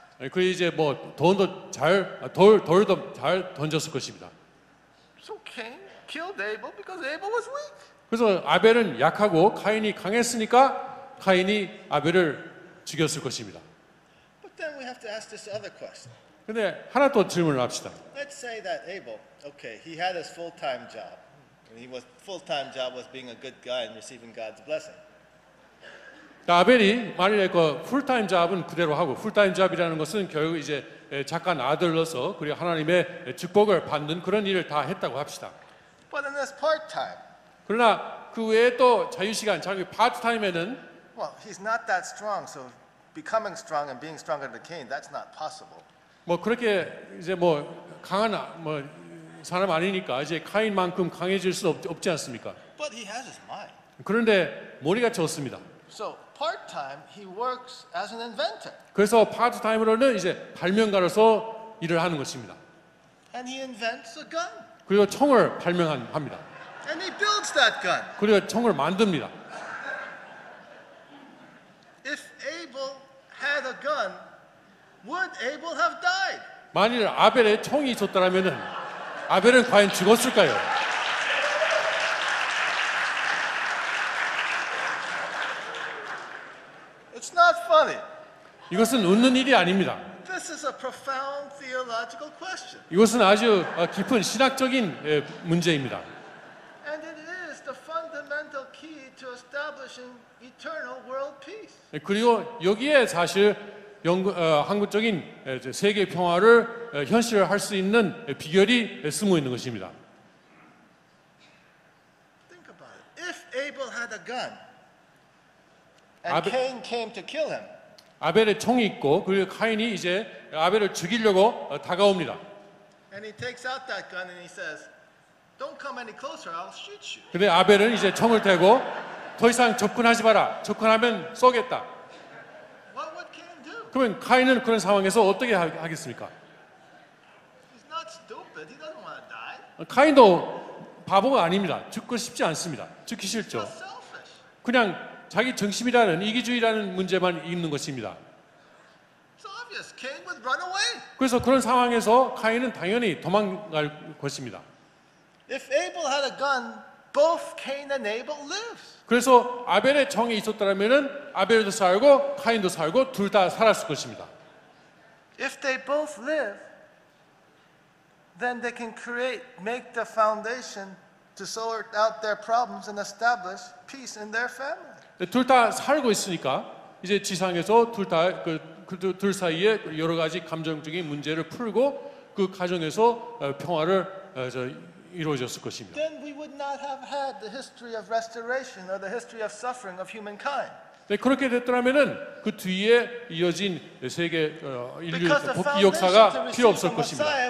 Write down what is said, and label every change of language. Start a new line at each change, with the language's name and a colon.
Korean: 그 이제 뭐 돈도 잘 돌도 잘 던졌을 것입니다.
English: So Cain killed Abel because Abel was weak.
Korean: 그래서 아벨은 약하고 카인이 강했으니까 카인이 아벨을 죽였을 것입니다.
English: But then we have to ask this other question.
Korean: 근데 하나 더 질문을 합시다.
English: Let's say that Abel, okay, he had his full-time job. And he was full-time job was being a good guy and receiving God's blessing.
Korean: 아벨이 만일에 그 풀타임 잡은 그대로 하고 풀타임 잡이라는 것은 결국 이제 작가 아들로서 그리고 하나님의 축복을 받는 그런 일을 다 했다고 합시다.
English: But in this part-time.
Korean: 그러나 그 외에 또 자유 시간, 자기 파트타임에는
English: Well, he's not that strong. So becoming strong and being stronger than Cain, that's not possible.
Korean: 뭐 그렇게 이제 뭐 강한 뭐 사람 아니니까 이제 카인만큼 강해질 수 없지 않습니까?
English: But he has his mind.
Korean: 그런데 머리가 좋습니다.
English: So part-time he works as an inventor.
Korean: 그래서 파트타임으로는 이제 발명가로서 일을 하는 것입니다.
English: And he invents a gun.
Korean: 그리고 총을 발명합니다.
English: And he builds that gun.
Korean: 그리고 총을 만듭니다.
English: If Abel had a gun, would Abel have died?
Korean: 만일 아벨의 총이 있었다면은 아벨은 과연 죽었을까요?
English: It's not funny.
Korean: 이것은 웃는 일이 아닙니다.
English: This is a profound theological question.
Korean: 이것은 아주 깊은 신학적인 문제입니다.
English: And it is the fundamental key to establishing eternal world peace.
Korean: 그리고 여기에 사실 항구적인 세계 평화를 현실화할 수 있는 비결이 숨어 있는 것입니다.
English: Think about it. If Abel had a gun. And Cain came to kill him.
Korean: 아벨의 총이 있고 그리고 카인이 이제 아벨을 죽이려고 다가옵니다.
English: And he takes out that gun and he says, "Don't come any closer. I'll shoot you."
Korean: 근데 아벨은 이제 총을 대고 더 이상 접근하지 마라. 접근하면 쏘겠다.
English: What would Cain do?
Korean: 그러면 카인은 그런 상황에서 어떻게 하겠습니까?
English: He's not stupid. He doesn't want to die.
Korean: 카인도 바보가 아닙니다. 죽고 싶지 않습니다. 죽기 싫죠.
English: He's just selfish.
Korean: 그냥 자기 중심이라는 이기주의라는 문제만 있는 것입니다.
English: So obvious, Cain would run away.
Korean: 그래서 그런 상황에서 카인은 당연히 도망갈 것입니다.
English: If Abel had a gun, both Cain and Abel lives.
Korean: 그래서 아벨의 총이 있었다면은 아벨도 살고 카인도 살고 둘 다 살았을 것입니다.
English: If they both live, then they can create, make the foundation to sort out their problems and establish peace in their family.
Korean: 둘 다 살고 있으니까 이제 지상에서 둘 다 둘 사이에 여러 가지 감정적인 문제를 풀고 그 가정에서 평화를 이루어졌을 것입니다.
English: Then we would not have had the history of restoration or the history of suffering of humankind.
Korean: 네, 그렇게 됐더라면은 그 뒤에 이어진 세계 인류 복귀 역사가 필요 없을 것입니다.